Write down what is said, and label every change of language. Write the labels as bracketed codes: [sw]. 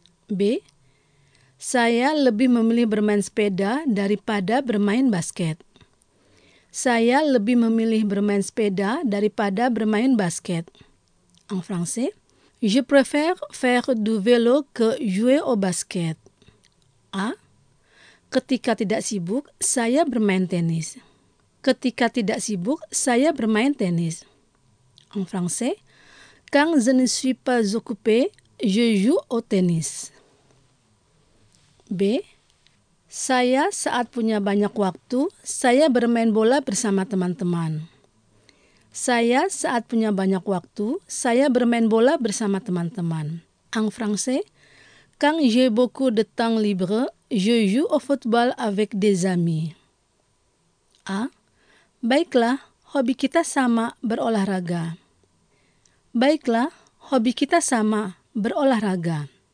[id] B. Saya lebih memilih bermain sepeda daripada bermain basket. Saya lebih memilih bermain sepeda daripada bermain basket. [fr] En français, je préfère faire du vélo que jouer au basket. A. [id] Ketika tidak sibuk, saya bermain tenis. Ketika tidak sibuk, saya bermain tenis. [fr] En français, quand je ne suis pas occupé, je joue au tennis. B. [id] Saya saat punya banyak waktu, saya bermain bola bersama teman-teman. Saya saat punya banyak waktu, saya bermain bola bersama teman-teman. [fr] En français, quand j'ai beaucoup de temps libre, je joue au football avec des amis. A. [id] Baiklah, hobi kita sama, berolahraga. Baiklah, hobi kita sama, berolahraga.